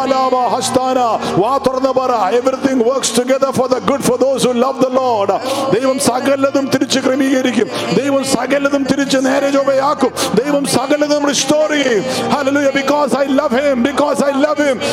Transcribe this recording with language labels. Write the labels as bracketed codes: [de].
[en] Everything works together for the good for those who love the Lord. [ml] ദൈവം സകലതും തിരിച്ച് ക്രമീകരിക്കും, ദൈവം സകലതും തിരിച്ച് നേരെ ജോബയാക്കും, ദൈവം സകലതും റിസ്റ്റോർ ചെയ്യും. [en] Hallelujah, because I love him, because I love him.